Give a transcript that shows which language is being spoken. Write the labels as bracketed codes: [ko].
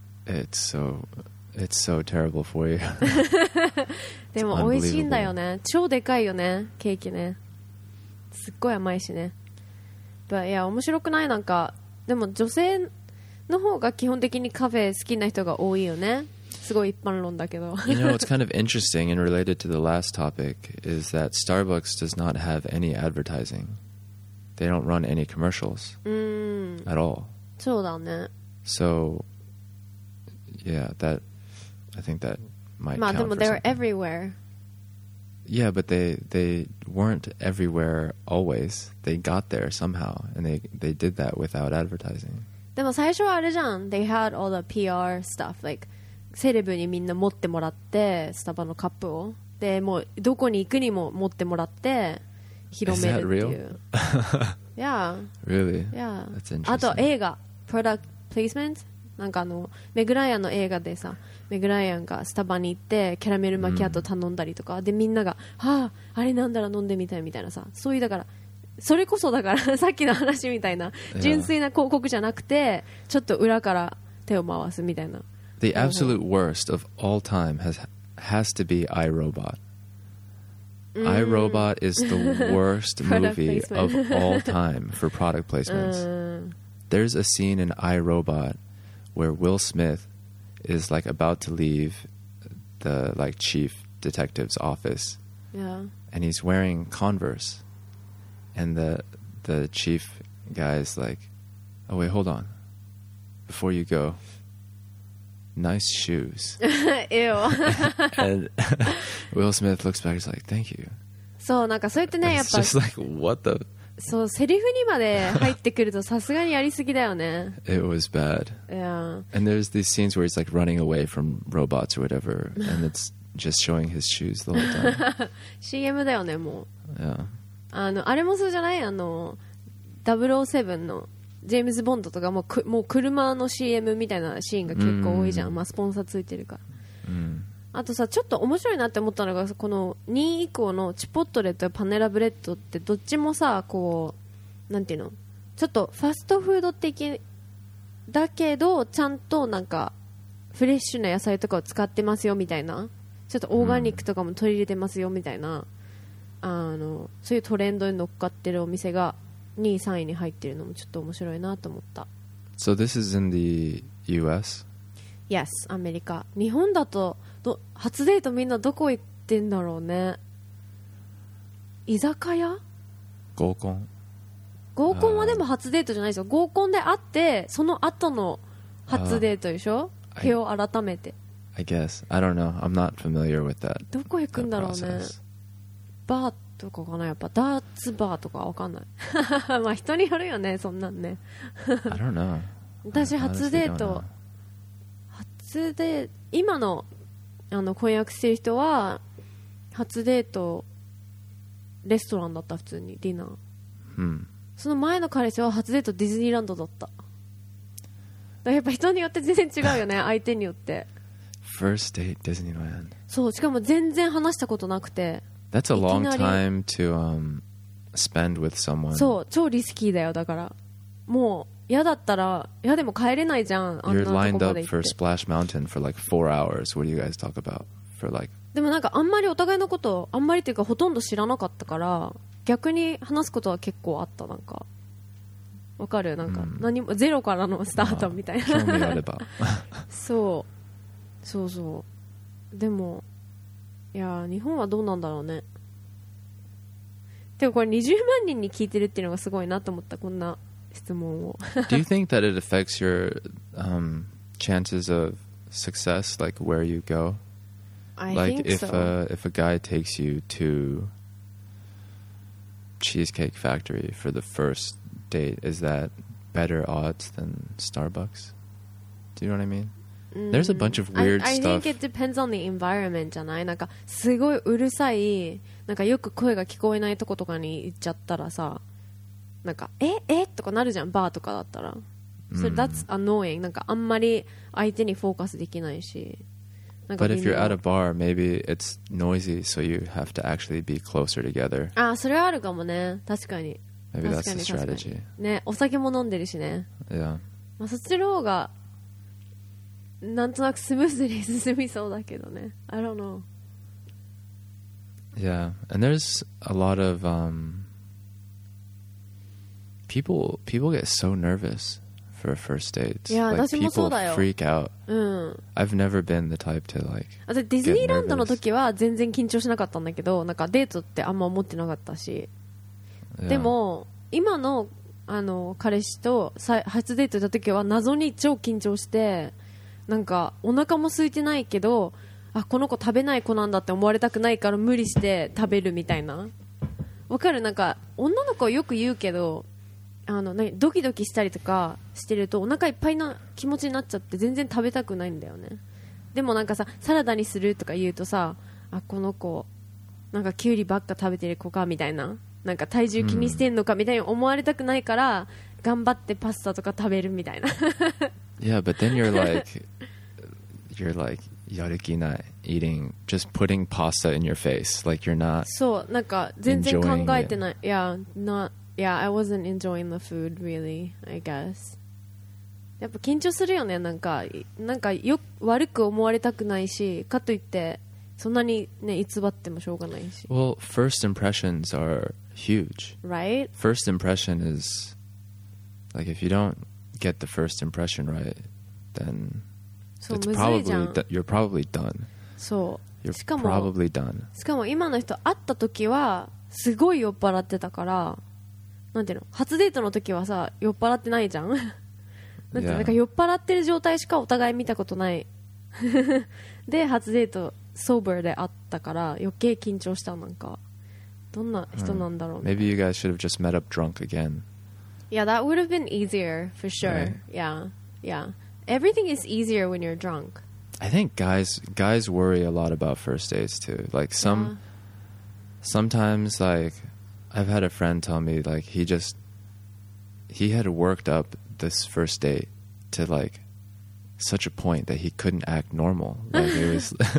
[en] It's so terrible for you. [ja] でも美味しいんだよね。超でかいよねケーキね。すっごい甘いしね。But, いや面白くない。なんかでも女性の方が基本的にカフェ好きな人が多いよね。すごい一般論だけど。 [en] You know, it's kind of interesting and related to the last topic is that Starbucks does not have any advertising. They don't run any commercials at all. [ja] そうだね。 [en] So, yeah, that I think that might count. [ja] まあでも [en] they're everywhere. Yeah, but they weren't everywhere always. They got there somehow, and they did that without advertising. [ja] でも最初はあれじゃん。 [en] They had all the PR stuff, like [ja] セレブにみんな持ってもらってスタバのカップを、でもうどこに行くにも持ってもらって広めるっていう。 [en] Is that real? Yeah. Really? Yeah. That's interesting. [ja] あと映画 product placement。なんかあのメグライアンの映画でさ、メグライアンがスタバに行ってキャラメルマキアート頼んだりとか、でみんなが、はあ、あれなんだら飲んでみたいみたいなさ、そういうだからそれこそだからさっきの話みたいな、純粋な広告じゃなくてちょっと裏から手を回すみたいな。 [en] The absolute worst of all time has to be iRobot. iRobot is the worst movie of all time for product placements. There's a scene in iRobot where Will Smith is like about to leave the like chief detective's office. Yeah. And he's wearing Converse. And the chief guy's like, oh wait, hold on. Before you go, nice shoes. Ew. And Will Smith looks back, he's like, thank you. [ja] そう、なんかそうやってね、やっぱ [en] just like, what the? [ja] そう、セリフにまで入ってくるとさすがにやりすぎだよね。 [en] It was bad. Yeah. And there's these scenes where he's like running away from robots or whatever, and it's just showing his shoes the whole time. [ja] CM だよね、もう。 [en] Yeah. [ja] あの、あれもそうじゃない？あの、007のジェームズ・ボンドとかもう車の CM みたいなシーンが結構多いじゃん。Mm. まあ、スポンサーついてるから。 Mm. あとさちょっと面白いなって思ったのがこの2以降のチポットレとパネラブレッドってどっちもさこうなんていうのちょっとファストフード的だけどちゃんとなんかフレッシュな野菜とかを使ってますよみたいなちょっとオーガニックとかも取り入れてますよみたいな、うん、あのそういうトレンドに乗っかってるお店が2位3位に入ってるのもちょっと面白いなと思った [en] So this is in the US? Yes, [ja] アメリカ日本だと初デートみんなどこ行ってんだろうね居酒屋合コン合コンはでも初デートじゃないですよ合コンで会ってその後の初デートでしょ手を改めて [en] I guess I don't know I'm not familiar with that [ja] どこ行くんだろうねバーとかかなやっぱダーツバーとかわかんないまあ人によるよねそんなんね [en] I don't know [ja] 私初デート初デート今のあの婚約してる人は初デートレストランだった普通にディナー、うん、その前の彼氏は初デートディズニーランドだっただからやっぱ人によって全然違うよね相手によって [en] First date Disneyland [ja] そうしかも全然話したことなくて [en] That's a long time to spend with someone [ja] そう超リスキーだよだからもう嫌だったら嫌でも帰れないじゃんあんなとこまで [en] You're lined up for Splash Mountain for like 4 hours What do you guys talk about? For like [ja] でもなんかあんまりお互いのことあんまりというかほとんど知らなかったから逆に話すことは結構あったなんかわかるなんか何も、mm. ゼロからのスタートみたいな興味あればそうそうそうでもいや日本はどうなんだろうねてかこれ20万人に聞いてるっていうのがすごいなと思ったこんな質問を [en] Do you think that it affects your chances of success, like where you go? I think if a guy takes you to Cheesecake Factory for the first date, is that better odds than Starbucks? Do you know what I mean? There's a bunch of weird stuff. I think it depends on the environment, [ja] じゃない？なんかすごいうるさい、なんかよく声が聞こえないとことかに行っちゃったらさ。なんかええとかなるじゃんバーとかだったらそれ、mm. [en] That's annoying [ja] なんかあんまり相手にフォーカスできないしなんか [en] But if you're at a bar maybe it's noisy so you have to actually be closer together [ja] あそれはあるかもね確かに [en] Maybe that's the strategy [ja] ねお酒も飲んでるしね [en] Yeah、 [ja] まあ、そっちの方がなんとなくスムーズに進みそうだけどね [en] I don't know Yeah and there's a lot of People get so nervous for a first date. Yeah, like, [ja] 私もそうだよ。 [en] People freak out. Mm. I've never been the type to like. [ja] あとディズニーランドの時は全然緊張しなかったんだけど、なんかデートってあんま思ってなかったし。 [en] Yeah. [ja] でも今のあの彼氏と初デート行った時は謎に超緊張して、なんかお腹も空いてないけど、あこの子食べない子なんだって思われたくないから無理して食べるみたいな。わかる？なんか女の子はよく言うけど。あのね、ドキドキしたりとかしてるとお腹いっぱいな気持ちになっちゃって全然食べたくないんだよねでもなんかさサラダにするとか言うとさあこの子なんかキュウリばっか食べてる子かみたいななんか体重気にしてんのかみたいに思われたくないから、うん、頑張ってパスタとか食べるみたいな [en] Yeah but then you're like you're like [ja] やる気ない [en] eating just putting pasta in your face like you're not [ja] そうなんか全然考えてない [en] Yeah notYeah, I wasn't enjoying the food really, I guess. [ja] やっぱ緊張するよね、なんかよ悪く思われたくないし、かといってそんなにね、偽ってもしょうがないし。 [en] Well, first impressions are huge. Right? First impression is, like if you don't get the first impression right, then It's probably you're probably done. [ja] そう。 [en] You're probably done. [ja] しかも今の人会った時はすごい酔っ払ってたから、なんていうの？初デートの時はさ、酔っ払ってないじゃん。なんていうの？なんか酔っ払ってる状態しかお互い見たことない。で、初デートsober で会ったから余計緊張した。なんかどんな人なんだろう。 [en] Maybe you guys should have just met up drunk again. Yeah, that would have been easier for sure. Right. Yeah, yeah. Everything is easier when you're drunk. I think guys worry a lot about first dates too. Like sometimes like I've had a friend tell me like he had worked up this first date to like such a point that he couldn't act normal. Like it was